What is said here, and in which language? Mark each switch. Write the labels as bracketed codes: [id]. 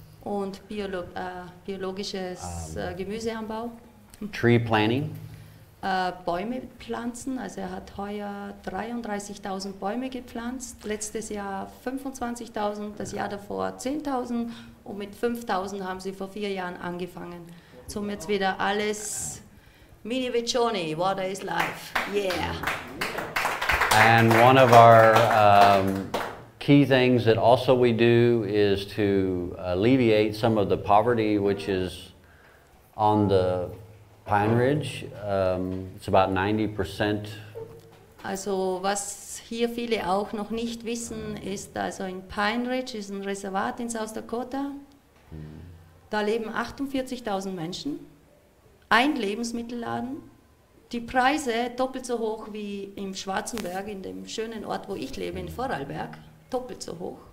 [de] Und biologisches Gemüseanbau. [en] Tree planting. [de] Bäume pflanzen. Also er hat heuer 33.000 Bäume gepflanzt. Letztes Jahr 25.000, das Jahr davor 10.000. Und mit 5.000 haben sie vor 4 Jahren angefangen. So jetzt wieder alles... [en] Mini Vicioni, water is life. Yeah. And one of our key things that also we do is to alleviate some of the poverty which is on the Pine Ridge. It's about 90%. [de] Also was hier viele auch noch nicht wissen, ist also in Pine Ridge, ist ein Reservat in South Dakota. Da leben 48.000 Menschen. Ein Lebensmittelladen, die Preise doppelt so hoch wie im Schwarzenberg, in dem schönen Ort, wo ich lebe, in Vorarlberg, doppelt so hoch.